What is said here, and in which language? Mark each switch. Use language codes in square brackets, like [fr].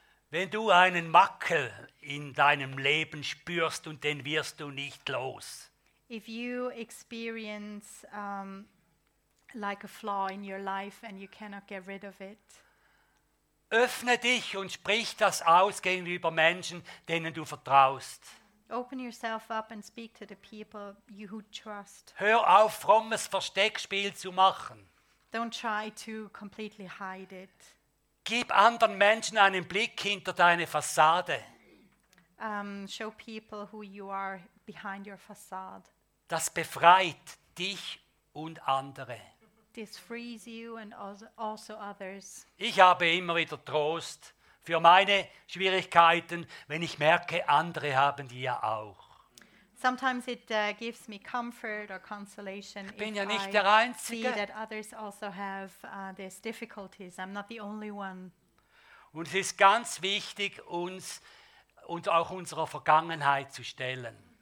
[de] Wenn du einen Makel in deinem Leben spürst und den wirst du nicht los. [en] if you experience like a flaw in your life and you cannot get rid of it, [de] öffne dich und sprich das aus gegenüber Menschen, denen du vertraust. [en] Open yourself up and speak to the people you who trust. [de] Hör auf, frommes Versteckspiel zu machen. [en] Don't try to completely hide it. [de] Gib anderen Menschen einen Blick hinter deine Fassade. [en] Show people who you are behind your facade. [de] Das befreit dich und andere. [en] This frees you and also others. [de] Ich habe immer wieder Trost für meine Schwierigkeiten, wenn ich merke, andere haben die ja auch. [en] Sometimes it gives me comfort or consolation. [de] Ich bin ja nicht der Einzige. [en] See that others also have these difficulties. I'm not the only one. [de] Und es ist ganz wichtig, uns und auch unserer Vergangenheit zu stellen.